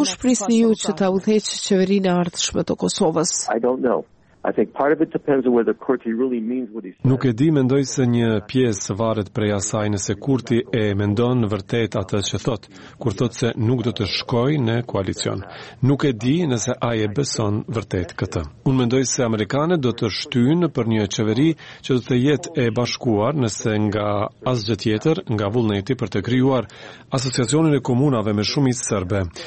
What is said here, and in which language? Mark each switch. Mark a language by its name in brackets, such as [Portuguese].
[Albanian] Kush prisni ju që ta udhëheq qeverinë e ardhshme të Kosovës? [English] I don't know. I think part of it depends on whether Kurti really means what he says. [Albanian] Nuk e di, mendoj se një pjesë varet prej asaj nëse Kurti e mendon vërtet atë që thot, kur thot se nuk do të shkojë në koalicion. Nuk e di nëse ai e beson vërtet këtë. Unë mendoj se amerikanët do të shtyjnë për një qeveri që do të jetë e bashkuar nëse nga asgjë tjetër, nga vullneti për të krijuar asociacionin e komunave me shumicë serbe.